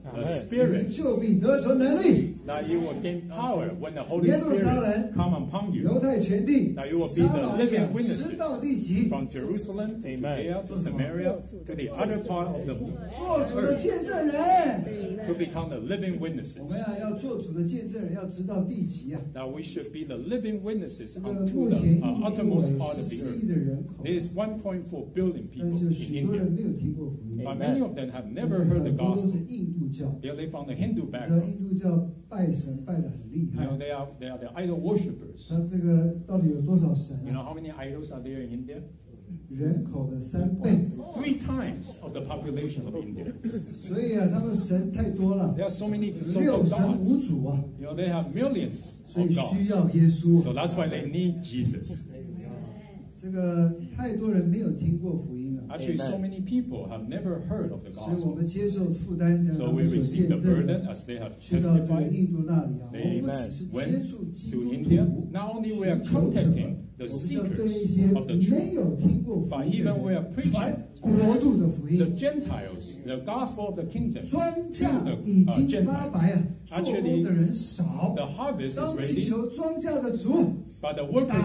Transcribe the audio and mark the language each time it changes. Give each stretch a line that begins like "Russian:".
English: The Spirit.
Chinese: 就必得着能力。
English: That you will gain power when the Holy Spirit come upon you.
Chinese: 犹太全地。
English: That you will be the living witnesses.
Chinese: 直到地极。
English: From Jerusalem to Judea to Samaria to the other part of the world.
Chinese: 做主的见证人。
English: To become the living witnesses.
Chinese: 我们啊，要做主的见证人，要直到地极啊。
English: That we should be the living witnesses unto the uttermost part of the earth. There is 1.4 billion people in India. But many of them have never heard the gospel. They live on the Hindu background. You know, they are the idol worshippers. You know how many idols are there in India?
Chinese: 人口的三倍
English: ，three times of the population of India.
Chinese: 所以啊，他们神太多了。
English: There are so many so called gods.
Chinese: 六神无主啊。
English: You know they have millions of gods.
Chinese: 所以需要耶稣。
English: So that's why they need Jesus.
Chinese: 这个太多人没有听过福音了。
English: Actually, so many people have never heard of the gospel.
Chinese: 所以我们接受负担，将他们所见证。
English: So we receive the burden as they have testified.
Chinese: 去到这个印度那里啊，我们只是接触基督徒。
English: Not only we are contacting. The seekers of the truth, but even we are preaching the Gentiles, the gospel of the kingdom, to the Gentiles. Actually, the harvest is ready, but the workers